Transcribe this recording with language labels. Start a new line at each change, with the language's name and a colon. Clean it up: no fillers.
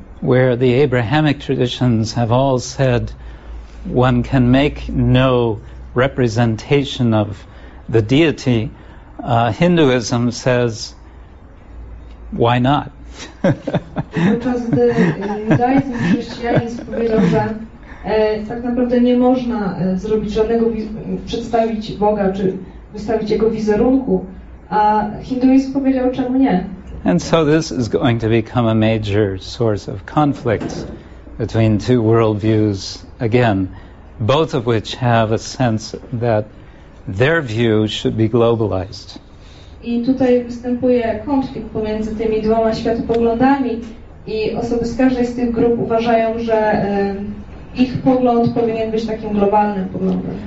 English: Where the Abrahamic traditions have all said one can make no representation of the deity, Hinduism says, why not?
Polish: Podczas gdy judaizm, chrześcijanizm powiedział, że tak naprawdę nie można zrobić żadnego, przedstawić Boga czy wystawić jego wizerunku, a hinduizm powiedział, czemu nie?
English: And so this is going to become a major source of conflict between two worldviews, again, both of which have a sense that their view should be globalized.
Polish: I tutaj występuje konflikt pomiędzy tymi dwoma światopoglądami i osoby z każdej z tych grup uważają, że ich pogląd powinien być takim globalnym poglądem.